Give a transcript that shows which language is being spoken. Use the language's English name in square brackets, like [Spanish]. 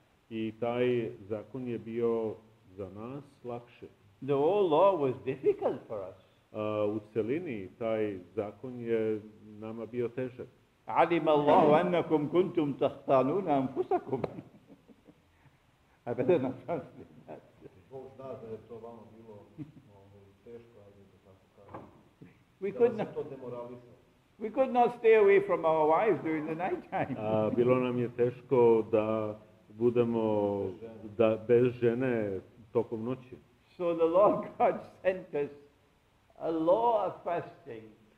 [Serbian] I taj zakon je bio za nas lakše. [English] The old law was difficult for us. [Serbian] U celini taj zakon je nama bio težak. [Arabic] Alima Allahu annakum kuntum tahtanuna anfusakum. [English] I better not translate that. [Serbian] Bog zna da je to vama bilo teško, ali da tako kažem. [English] We could not stay away from our wives during the night time. [Serbian] Bilo nam je teško da budemo bez žene tokom noći. [English] So the Lord God sent us a law of fasting.